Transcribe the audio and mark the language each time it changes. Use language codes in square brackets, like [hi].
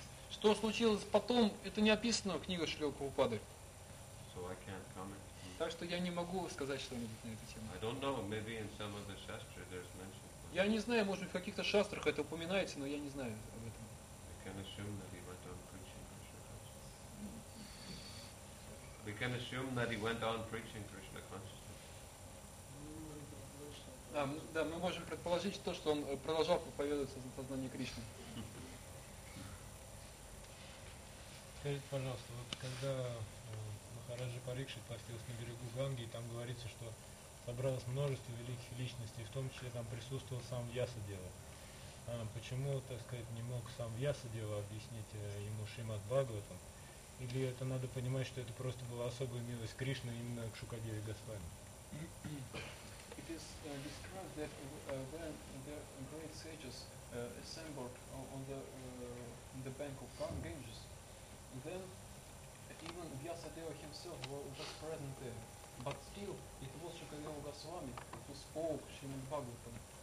[ru] Что случилось потом, это не описано в книгах Шрилы Прабхупады. [en] So I can't comment. [ru] Так что я не могу сказать что-нибудь на эту тему. [en] I don't know, maybe in some of the shastra there's mention. [ru] Я не знаю, может быть, в каких-то шастрах это упоминается, но я не знаю об этом. [en] We can assume that he went on preaching Krishna consciousness. We can assume that he went on preaching Krishna consciousness. [ru] Да, мы можем предположить то, что он продолжал проповедовать сознание Кришны. Скажите, пожалуйста, вот когда Махараджа Парикшит постился на берегу Ганги, и там говорится, что собралось множество великих личностей, в том числе там присутствовал сам Вьясадева. Почему, так сказать, не мог сам Вьясадева объяснить ему Шримад Бхагаватам? Или это надо понимать, что это просто была особая милость Кришны именно к Шукадеве Госвами? [en] It is described that when the great sages assembled on the bank of Ganges, then even Vyasadeva himself was present there. But still, it was Shukadeva Goswami who spoke Srimad Bhagavatam.